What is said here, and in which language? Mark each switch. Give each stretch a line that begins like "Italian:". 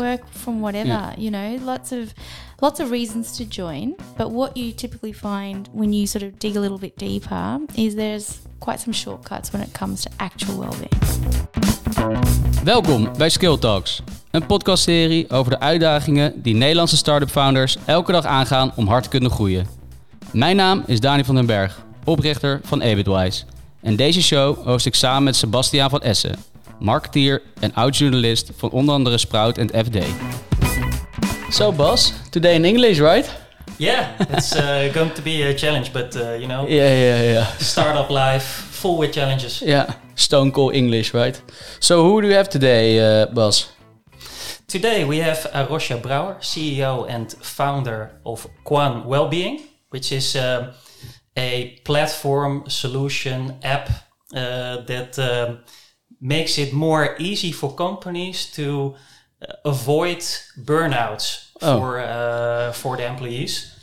English: Work from whatever, you know, lots of reasons to join. But what you typically find when you sort of dig a little bit deeper is there's quite some shortcuts when it comes to actual well-being.
Dutch: Welkom bij Skill Talks, een podcastserie over de uitdagingen die Nederlandse start-up founders elke dag aangaan om hard te kunnen groeien. Mijn naam is Dani van den Berg, oprichter van EbitWise. En deze show host ik samen met Sebastiaan van Essen, marketeer en oud-journalist van onder andere Sprout en het FD.
English: So Bas, today in English, right? Yeah, it's going to be a challenge, but you know, yeah. Startup life, full with challenges. Yeah, stone cold English, right? So who do you have today, Bas? Today we have Arosha Brouwer, CEO and founder of Quan Wellbeing, which is a platform, solution, app that makes it more easy for companies to avoid burnouts for the employees.